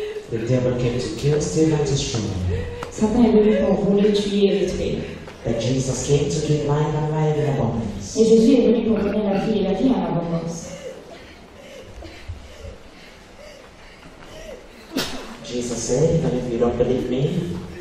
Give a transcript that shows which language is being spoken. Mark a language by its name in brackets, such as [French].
[English] The devil came to kill, steal, and destroy. [French] Satan est venu pour voler, tuer et détruire. [English] But Jesus came to give life and life in abundance. [French] Et Jésus est venu pour donner la vie et la vie en abondance. [English] Jesus said, even if you don't believe me,